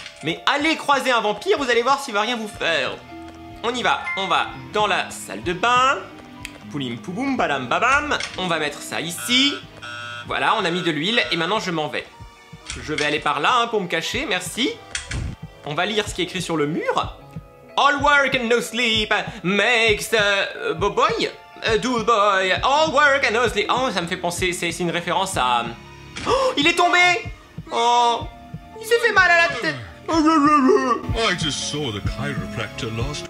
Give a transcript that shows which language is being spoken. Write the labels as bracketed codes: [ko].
[fr] Mais allez croiser un vampire, vous allez voir s'il va rien vous faire. On y va, on va dans la salle de bain. Poulim pouboum, badam babam. On va mettre ça ici. Voilà, on a mis de l'huile et maintenant je m'en vais. Je vais aller par là hein, pour me cacher, merci. On va lire ce qui est écrit sur le mur. [en] All work and no sleep makes a boy, a dull boy. All work and no sleep. [fr] Oh, ça me fait penser, c'est une référence à... Oh, il est tombé. Oh, il s'est fait mal à la tête. [en] I just saw the chiropractor lost.